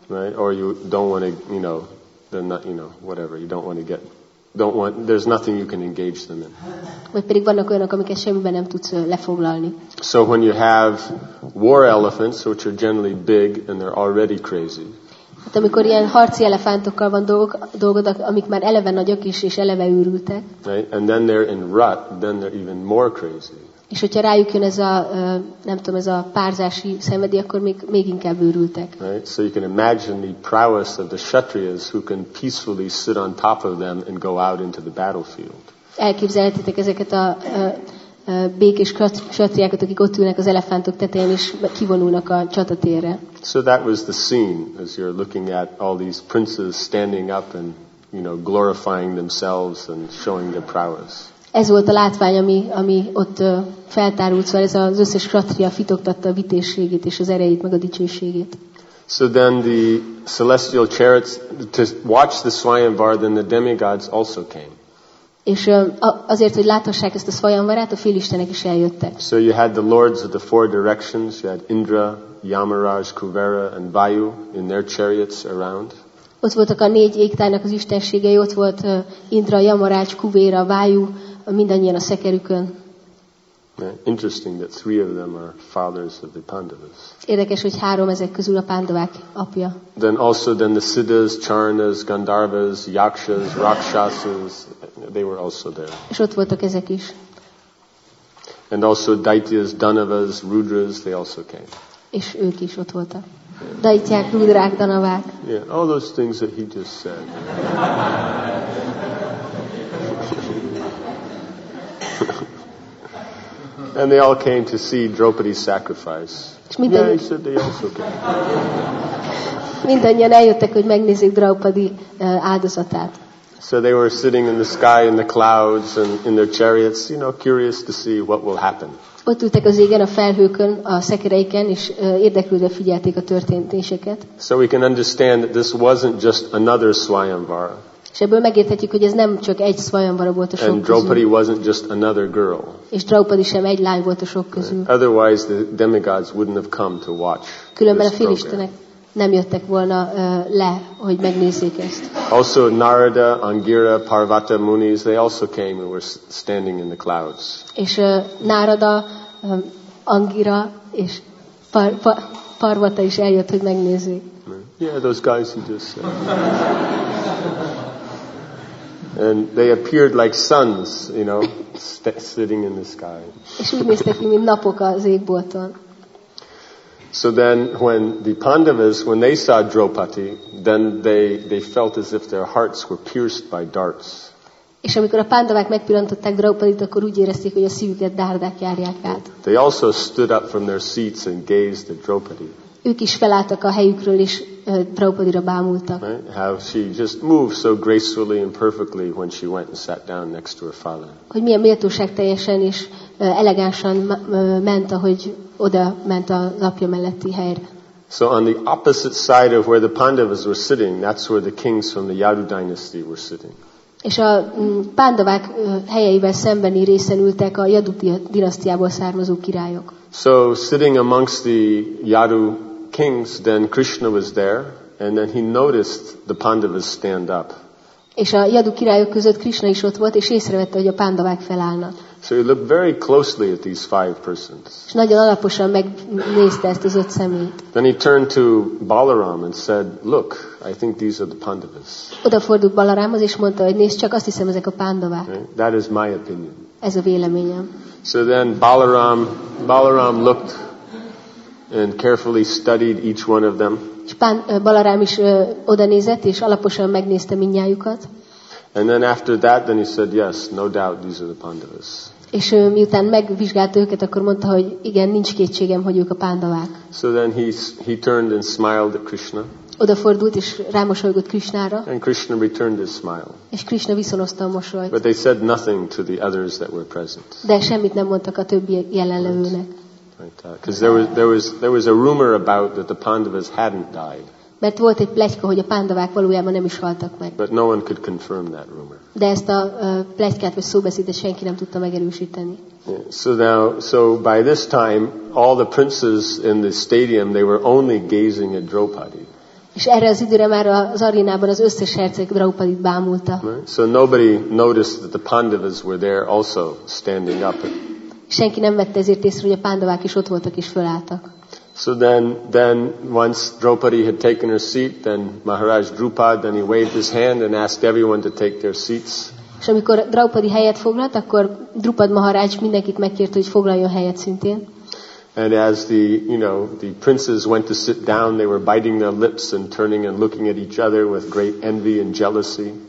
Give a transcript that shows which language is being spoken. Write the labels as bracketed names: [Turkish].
[English] Right, or you don't want to, you know, they're not, you know, whatever. You don't want to get, don't want. There's nothing you can engage them in. [Hungarian] Vagy pedig vannak olyanok, amiket semmiben nem tudsz lefoglalni. [English] So when you have war elephants, which are generally big and they're already crazy. [Hungarian] Hát amikor ilyen harci elefántokkal van dolgod, amik már eleve nagyok is, és eleve őrültek. [English] Right? And then they're in rut, then they're even more crazy. [Hungarian] És hogyha rájuk jön ez a, nem tudom, ez a párzási szenvedély, akkor még inkább őrültek. [English] Right? So you can imagine the prowess of the kshatriyas who can peacefully sit on top of them and go out into the battlefield. [Hungarian] Elképzelhetitek ezeket a békés kshatriákat, akik ott ülnek az elefántok tetején, és kivonulnak a csatatérre. [English] So that was the scene as you're looking at all these princes standing up and, you know, glorifying themselves and showing their prowess. [Hungarian] Ez volt a látvány, ami ott feltárult, szóval ez az összes kshatriya fitogtatta a vitézségét és az erejét, meg a dicsőségét. [English] So then the celestial chariots, to watch the Svayamvar, then the demigods also came. [Hungarian] És azért, hogy láthassák ezt a Svayamvarát, a félistenek is eljöttek. [English] So you had the lords of the four directions, you had Indra, Yamaraj, Kuvera and Vayu in their chariots around. [Hungarian] Ott voltak a négy égtájnak az istenségei, ott volt Indra, Yamaraj, Kuvera, Vayu, mindannyian a szekerükön. [English] Interesting that three of them are fathers of the Pandavas. [Hungarian] Érdekes, hogy három ezek közül a Pandavák apja. [English] Then also then the Siddhas, Charanas, Gandharvas, Yakshas, Rakshasas, they were also there. [Hungarian] És ott voltak ezek is. [English] And also Daityas, Danavas, Rudras, they also came. [Hungarian] És ők is ott voltak. Daityák, Rudrák, Danavák. [English] Yeah, all those things that he just said. And they all came to see Draupadi's sacrifice. Yeah, he said they also came. [Hungarian] Mindannyian eljöttek, hogy megnézzék Draupadi áldozatát. [English] So they were sitting in the sky, in the clouds, and in their chariots, you know, curious to see what will happen. [Hungarian] Ott ültek az égen, a felhőkön, a szekereiken, és érdeklődve figyelték a történtéseket. [English] So we can understand that this wasn't just another Svayamvara. [Hungarian] És ebből megérthetjük, hogy ez nem csak egy Svayamvara volt a sok közül. [English] And Draupadi wasn't just another girl. [Hungarian] És Draupadi sem egy lány volt a sok közül. [English] Otherwise the demigods wouldn't have come to watch. [Hungarian] Különben a félistenek nem jöttek volna le, hogy megnézzék ezt. [English] Also Narada, Angira, Parvata, Munis, they also came and were standing in the clouds. [Hungarian] És Narada, Angira és Parvata is eljött, hogy megnézzék. [English] Yeah, those guys who just said. And they appeared like suns, you know, sitting in the sky. [Hungarian] És úgy néztek ki, mint napok az égbolton. [English] So then when the Pandavas, when they saw Draupadi, then they felt as if their hearts were pierced by darts. [Hungarian] És amikor a Pandavák megpillantották Draupadit, akkor úgy érezték, hogy a szívüket dárdák járják át. [English] They also stood up from their seats and gazed at Draupadi. [Hungarian] Ők is felálltak a helyükről, és Draupadira bámultak. [English] Right? How she just moved so gracefully and perfectly when she went and sat down next to her father. [Hungarian] Hogy milyen méltóság teljesen és elegánsan ment, ahogy oda ment az apja melletti helyre. [English] So on the opposite side of where the Pandavas were sitting, that's where the kings from the Yadu dynasty were sitting. [Hungarian] És a Pandavák helyeivel szembeni részen ültek a Yadu dinasztiából származó királyok. [English] So sitting amongst the Yadu kings, then Krishna was there, and then he noticed the Pandavas stand up. [Hungarian] És a Yadu királyok között Krishna is ott volt, és észrevette, hogy a Pandavák felállnak. [English] So he looked very closely at these five persons. [Hungarian] És nagyon alaposan megnézte ezt az öt szemét. [English] Then he turned to Balaram and said, "Look, I think these are the Pandavas." [Hungarian] Odafordult Balarámhoz és mondta, hogy nézd csak, azt hiszem, ezek a Pandavák. [English] Right? That is my opinion. [Hungarian] Ez a véleményem. [English] So then Balaram looked and carefully studied each one of them. [Hungarian] Balarám is odanézett és alaposan megnézte mindnyájukat. [English] And then after that, then he said, "Yes, no doubt, these are the Pandavas." [Hungarian] És miután megvizsgálta őket, akkor mondta, hogy igen, nincs kétségem, hogy ők a Pandavák. [English] So then he turned and smiled at Krishna. [Hungarian] Odafordult és rámosolygott Krishnára. [English] And Krishna returned his smile. [Hungarian] És Krishna viszonozta a mosolyt. [English] But they said nothing to the others that were present. [Hungarian] De semmit nem mondtak a többi jelenlevőnek. [English] Because there was a rumor about that the Pandavas hadn't died. [Hungarian] Mert volt egy pletyka, hogy a Pandavák valójában nem is haltak meg. [English] But no one could confirm that rumor. [Hungarian] De ezt a pletykát vagy szóbeszédet senki nem tudta megerősíteni. [English] Yeah. So by this time, all the princes in the stadium, they were only gazing at Draupadi. [Hungarian] És erre az időre már az arénában az összes herceg Draupadit bámulta. [English] Right? So nobody noticed that the Pandavas were there also standing up. [Hungarian] Senki nem vette ezért észre, hogy a Pandavák is ott voltak és fölálltak. [English] So then once Draupadi had taken her seat, then Maharaj Drupad, then he waved his hand and asked everyone to take their seats. [Hungarian] És amikor Draupadi helyet foglalt, akkor Drupad Maharaj mindenkit megkért, hogy foglaljon helyet szintén. [English] And as the princes went to sit down, they were biting their lips and turning and looking at each other with great envy and jealousy.